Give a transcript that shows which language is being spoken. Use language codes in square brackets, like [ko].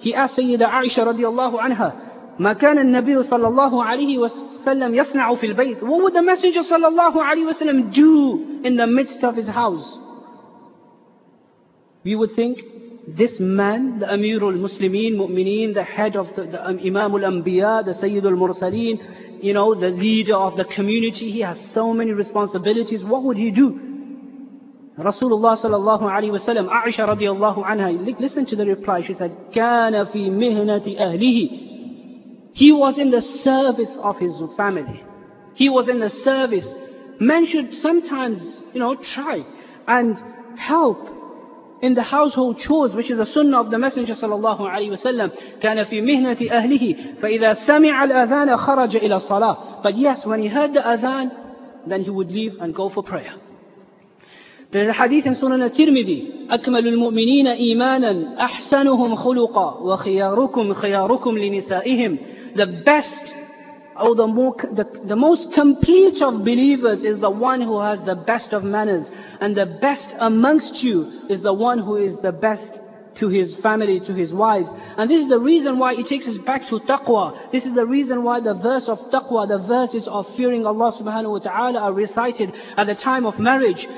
[en] He asked Sayyida Aisha radiallahu anha, [ar] مَا كَانَ النَّبِيُّ صَلَّى اللَّهُ عَلَيْهِ وَسَلَّمْ يَصْنَعُ فِي الْبَيْتِ. [en] What would the Messenger sallallahu alayhi wasallam do in the midst of his house? We would think, this man, the Amirul Muslimin, Mu'mineen, the head of the Imamul Anbiya, the Sayyidul Mursaleen, you know, the leader of the community, he has so many responsibilities, what would he do? Rasulullah sallallahu alayhi wa sallam, Aisha radiallahu anha, listen to the reply, she said, [ar] كَانَ فِي مِهْنَةِ أَهْلِهِ. [en] He was in the service of his family. He was in the service. Men should sometimes, you know, try and help in the household chores, which is the sunnah of the Messenger sallallahu alaihi wasallam, [ar] كان في مهنة أهله فإذا سمع الأذان خرج إلى الصلاة. [en] But yes, when he heard the adhan, then he would leave and go for prayer. There's a hadith in Sunan al-Tirmidhi, [ar] أكمل المؤمنين إيمانا أحسنهم خلقا وخياركم خياركم لنسائهم. [en] The best, or the most complete of believers is the one who has the best of manners, and the best amongst you is the one who is the best to his family, to his wives. And this is the reason why it takes us back to taqwa. This is the reason why the verse of taqwa, the verses of fearing Allah subhanahu wa ta'ala, are recited at the time of marriage.